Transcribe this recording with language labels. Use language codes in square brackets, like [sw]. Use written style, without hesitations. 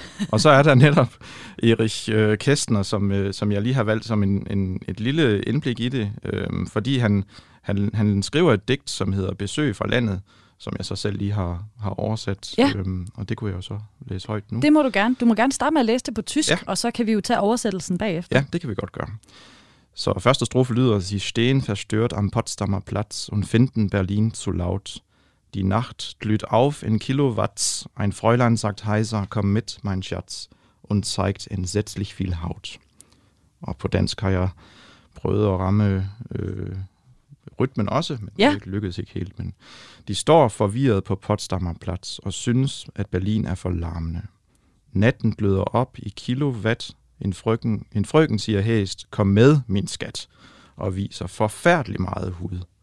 [da] Og så er der netop Erich Kästner, som jeg lige har valgt som et lille indblik i det, fordi han skriver et digt, som hedder Besøg fra landet, som jeg så selv lige har oversat. Ja. Og det kunne jeg jo så læse højt nu. Det må du gerne. Du må gerne starte med at læse det på tysk, ja, og så kan vi jo tage oversættelsen bagefter. Ja, det kan vi godt gøre. Så første strofe lyder, [de] Sie stehen verstört am Potsdamer Platz und finden Berlin zu laut. Die Nacht glüht auf in Kilowatts. Ein Fräulein sagt heiser, komm mit, mein Schatz, und zeigt entsetzlich viel Haut. [da] Og på dansk har jeg prøvet at ramme rytmen også, men ja, det lykkedes ikke helt. Men de står forvirret på Potsdamer Platz og synes, at Berlin er for larmende. Natten gløder op i kilowatt. En frøken siger hæst, kom med, min skat, og viser forfærdelig meget hud.